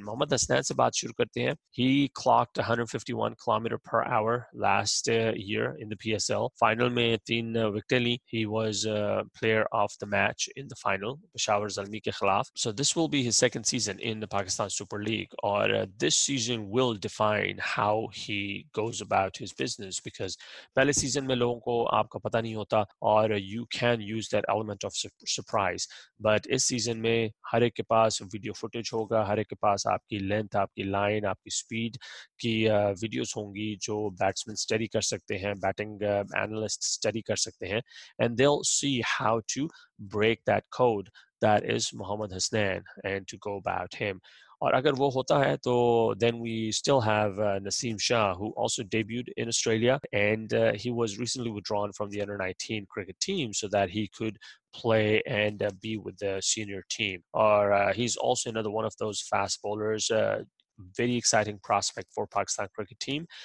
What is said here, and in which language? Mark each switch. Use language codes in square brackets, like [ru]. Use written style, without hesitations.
[ur] Mohammad Hasnain se baat shuru karte hain. [en] He clocked 151 km per hour last year in the PSL. [ur] Final mein 3 wickets li. [en] He was player of the match in the final, [ur] Peshawar Zalmi ke khilaf. [en] So this will be his second season in the Pakistan Super League. Aur this season will define how he goes about his business, because [ur] پہلے season میں لوگوں کو آپ کا پتہ نہیں ہوتا, اور [en] You can use that element of surprise. [ur] But اس season میں ہر ایک کے پاس ویڈیو فوٹیج ہوگا, ہر ایک کے پاس آپ کی لینتھ, آپ کی لائن, آپ کی اسپیڈ کی ویڈیوز ہوں گی جو بیٹسمین اسٹڈی کر سکتے ہیں, بیٹنگ اینالسٹ اسٹڈی کر سکتے ہیں, [en] And they will see how to break that code that is Muhammad Hasnain and to go about him. [ur] और अगर वो होता है तो [en] then we still have Naseem Shah, who also debuted in Australia, and he was recently withdrawn from the under-19 cricket team so that he could play and be with the senior team. Or he's also another one of those fast bowlers, very exciting prospect for Pakistan cricket team.